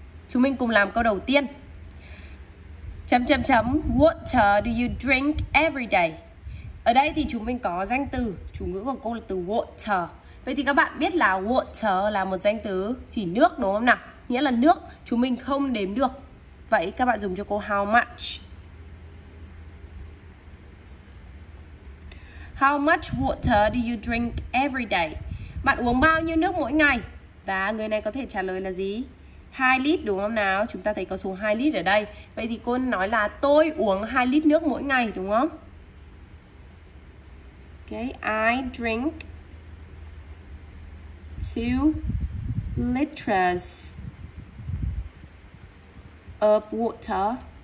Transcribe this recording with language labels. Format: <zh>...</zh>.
<vi>Chúng mình cùng làm câu đầu tiên. Chấm chấm chấm,</vi> <en>water do you drink every day?</en> <vi>Ở đây thì chúng mình có danh từ, chủ ngữ của cô là từ water. Vậy thì các bạn biết là water là một danh từ chỉ nước, đúng không nào? Nghĩa là nước chúng mình không đếm được. Vậy các bạn dùng cho cô how much.</vi> <en>How much water do you drink every day?</en> <vi>Bạn uống bao nhiêu nước mỗi ngày? Và người này có thể trả lời là gì? 2 lít, đúng không nào? Chúng ta thấy có số 2 lít ở đây. Vậy thì cô nói là tôi uống 2 lít nước mỗi ngày, đúng không?</vi> <en>Ok, I drink 2 liters of water</en>